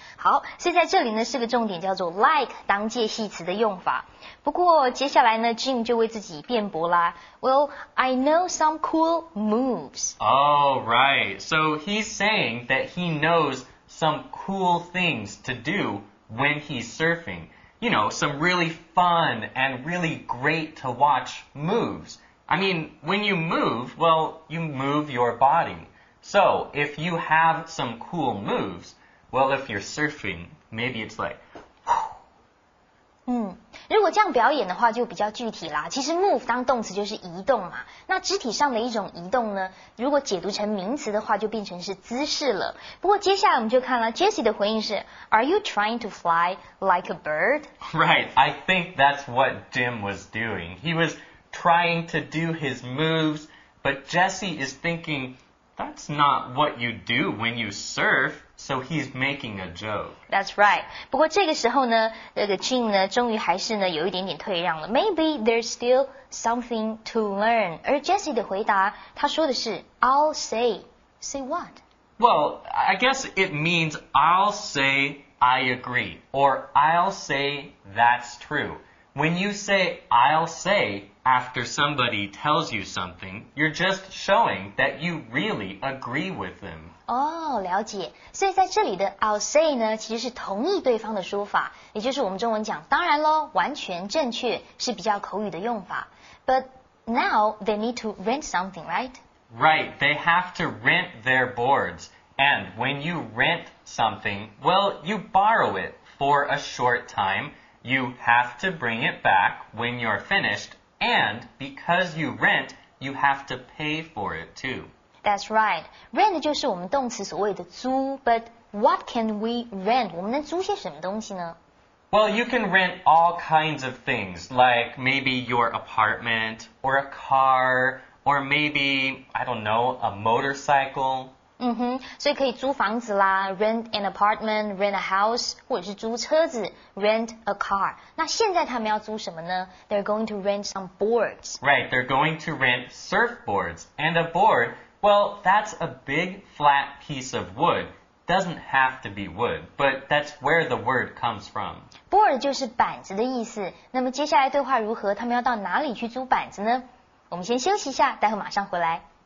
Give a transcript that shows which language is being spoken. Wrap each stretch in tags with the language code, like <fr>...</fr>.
<zh>好，所以在这里呢是个重点，叫做 like 当介系词的用法。不过接下来呢 ，Jim 就为自己辩驳啦。</zh> <en>Well, I know some cool moves. Oh, right. So he's saying that he knows some cool things to do when he's surfing. You know, some really fun and really great to watch moves. I mean, when you move, well, you move your body. So if you have some cool moves, well, if you're surfing, maybe it's like...</en> <zh>如果这样表演的话就比较具体啦其实 move 当动词就是移动嘛那肢体上的一种移动呢如果解读成名词的话就变成是姿势了不过接下来我们就看了 Jesse 的回应是 Are you trying to fly like a bird?</zh> <en>Right, I think that's what Jim was doing He was trying to do his moves But Jesse is thinking That's not what you do when you surfSo he's making a joke. That's right.</en> <zh>不过这个时候呢，那个 Jim 呢，终于还是呢有一点点退让了。</zh> <en>Maybe there's still something to learn. 而 Jesse 的回答，他说的是 I'll say. Say what? Well, I guess it means I'll say I agree. Or I'll say that's true. When you say I'll say after somebody tells you something, you're just showing that you really agree with them.</en> <zh>哦，了解。所以在这里的 I'll say 呢，其实是同意对方的说法，也就是我们中文讲当然咯，完全正确是比较口语的用法。</zh> <en>But now they need to rent something, right? Right, they have to rent their boards. And when you rent something, well, you borrow it for a short time. You have to bring it back when you're finished. And because you rent, you have to pay for it too. That's right. Rent 就是我们动词所谓的租 But what can we rent?</en> <zh>我们能租些什么东西呢</zh> <en>Well, you can rent all kinds of things, like maybe your apartment, or a car, or maybe, I don't know, a motorcycle.</en> <zh>所以可以租房子啦 rent an apartment, rent a house, 或者是租车子 rent a car.</zh> <en>那现在他们要租什么呢 They're going to rent some boards. Right, they're going to rent surfboards, and a board... Well, that's a big flat piece of wood. Doesn't have to be wood, but that's where the word comes from.</en> <zh>Board 就是板子的意思。那么接下来对话如何？他们要到哪里去租板子呢？我们先休息一下，待会马上回来。</zh>